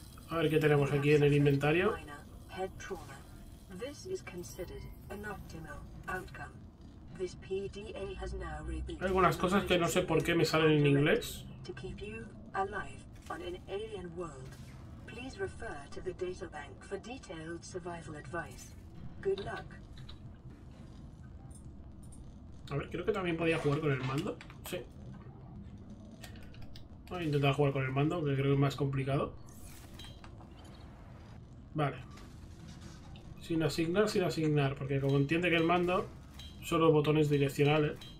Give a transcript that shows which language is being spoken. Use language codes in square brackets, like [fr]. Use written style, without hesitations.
[es] A ver qué tenemos aquí en el inventario. [en] Head trauma. This is considered an optimal outcome. This PDA has now rebooted. [es] Algunas cosas que no sé por qué me salen en inglés. [en] To keep you alive on an alien world, please refer to the data bank for detailed survival advice. Good luck. [es] A ver, creo que también podía jugar con el mando. Sí. Voy a intentar jugar con el mando, que creo que es más complicado. Vale. Sin asignar, porque como entiende que el mando son los botones direccionales.